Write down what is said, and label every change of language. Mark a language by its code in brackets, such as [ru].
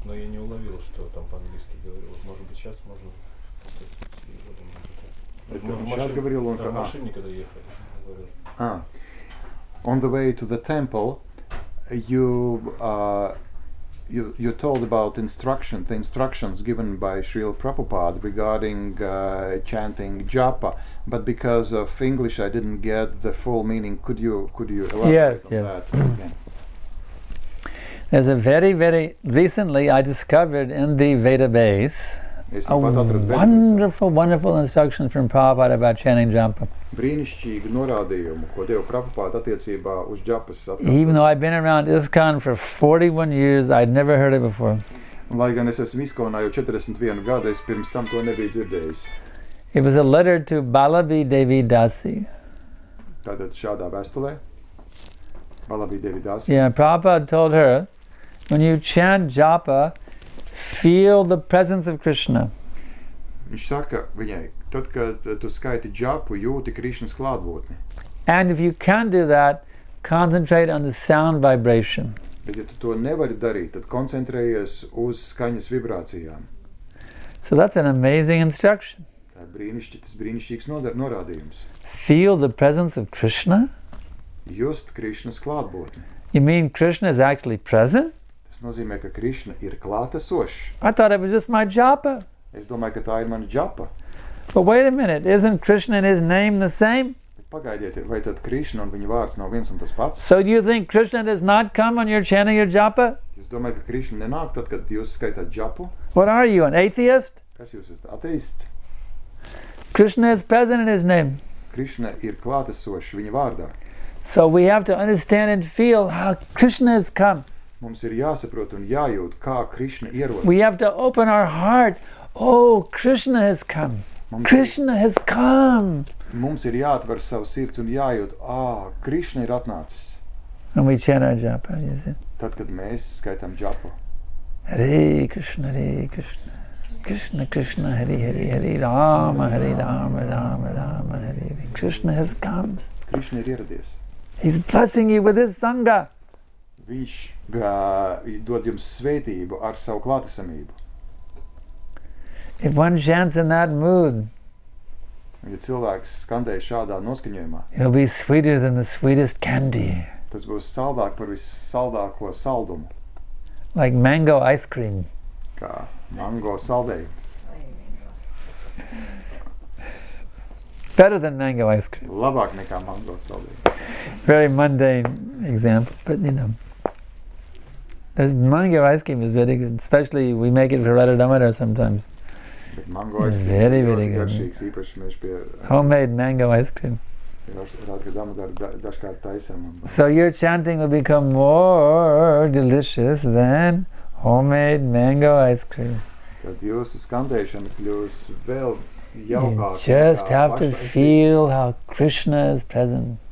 [ru] Но я не уловил, что там по-английски говорил. Может быть, сейчас можно... Сейчас говорил он... В машине, когда ехали. [en] On the way to the temple, you told about the instructions given by Srila Prabhupada regarding chanting japa, but because of English, I didn't get the full meaning. Could you elaborate that again? There's a very, very recently I discovered in the Veda base a wonderful, wonderful instruction from Prabhupada about chanting japa. [lv] Brīnišķīgu norādījumu, ko Deva Prabhupāda attiecībā uz džapas atkārtot. [en] Even though I've been around ISKCON for 41 years, I'd never heard it before. [lv] Lai gan es esmu ISKCONā jau 41 gadu, es pirms tam to nebiju dzirdējis. [en] It was a letter to Balabi Devi Dasi. [lv] Tātad šādā vēstulē. Balabi Devi Dasi. [en] Yeah, Prabhupāda told her, when you chant japa, feel the presence of Krishna. [lv] Viņš saka viņai, tad, kad tu skaiti džapu, jūti Krišnas klātbūtni. [en] And if you can do that, concentrate on the sound vibration. [lv] Bet ja tu to nevari darīt, tad koncentrējies uz skaņas vibrācijām. [en] So that's an amazing instruction. [lv] Tas brīnišķīgs norādījums. [en] Feel the presence of Krishna? [lv] Just Krišnas klātbūtni. [en] You mean Krishna is actually present? [lv] Tas nozīmē, ka Krišna ir klātesošs. [en] I thought it was just my japa. [lv] Es domāju, ka tā ir mana džapa. [en] But wait a minute, isn't Krishna and his name the same? [lv] Pagaidiet, vai tad Krishna un viņa vārds nav viens un tas pats? [en] So do you think Krishna does not come when you're chanting your japa? [lv] Jūs domājat, ka Krishna nenāk tad, kad jūs skaitāt džapu? [en] What are you, an atheist? [lv] Kas jūs esat, ateists? [en] Krishna is present in his name. [lv] Krishna ir klātesošs viņa vārdā. [en] So we have to understand and feel how Krishna has come. [lv] Mums ir jāsaprot un jājūt, kā Krishna ierodas. [en] We have to open our heart. Oh, Krishna has come. Krishna has come. [lv] Mums ir jāatver savu sirds un jājūt, Krishna ir atnācis. [en] And we chant our japa, you see. [lv] Tad, kad mēs skaitām japa. [sa] Hare Krishna, Krishna, Krishna, Hare Hare, Hare Rama, Hare Rama, Rama Rama, Hare Hare. [en] Krishna has come. [lv] Krishna ir ieradies. [en] He's blessing you with his sangha. [lv] Viņš dod jums svētību ar savu klātesamību. [en] If one chants in that mood, [lv] ja cilvēks skandē šādā noskaņojumā, [en] he'll be sweeter than the sweetest candy. [lv] Tas būs saldāk par vissaldāko saldumu. [en] Like mango ice cream. [lv] Kā mango saldējums. [en] Better than mango ice cream. [lv] Labāk nekā mango saldējums. [en] Very mundane example, but you know. The mango ice cream is very good, especially we make it for Radha-damodar sometimes. [lv] Bet mango [en] ice cream very, [lv] ir [en] very [lv] garšīgs, īpaši mēs pie... [en] Homemade mango ice cream. [lv] Radha-damodar dažkārt taisam. [en] So your chanting will become more delicious than homemade mango ice cream. [lv] Kad jūsu skandēšana kļūs vēl jaukāk. [en] You just have to feel how Krishna is present.